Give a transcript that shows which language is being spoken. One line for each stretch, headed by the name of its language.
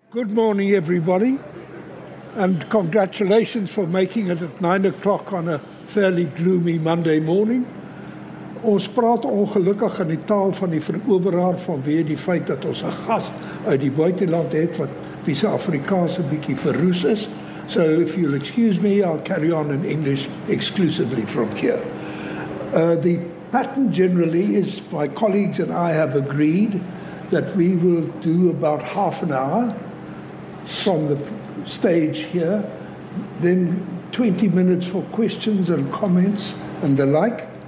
English: Good morning, everybody, and congratulations for making it at 9 o'clock on a fairly gloomy Monday morning.
Afrikaans: Ons praat ongelukkig in die taal van die veroveraar vanweer die feit dat ons 'n gas uit die buitenland het wat wie se Afrikaans 'n bietjie verroes is.
English: So if you'll excuse me, I'll carry on in English exclusively from here. The pattern generally is my colleagues and I have agreed that we will do about half an hour from the stage here, then 20 minutes for questions and comments and the like.